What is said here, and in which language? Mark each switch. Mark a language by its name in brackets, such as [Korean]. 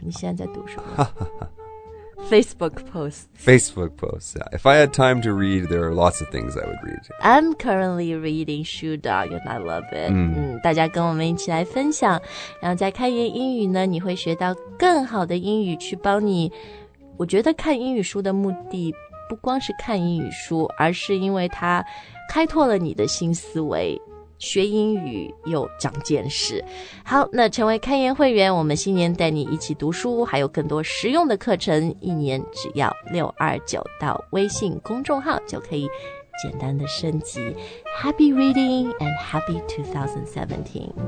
[Chinese] 你现在在读什么Facebook posts. [English] Facebook posts, yeah. If I had time to read, there are lots of things I would read. I'm currently reading Shoe Dog and I love it. [Chinese] 大家跟我们一起来分享。然后在开言英语呢你会学到更好的英语去帮你。我觉得看英语书的目的不光是看英语书而是因为它开拓了你的新思维。学英语又长见识好那成为开言会员我们新年带你一起读书还有更多实用的课程一年只要629到微信公众号就可以简单的升级 [English] Happy reading and happy 2017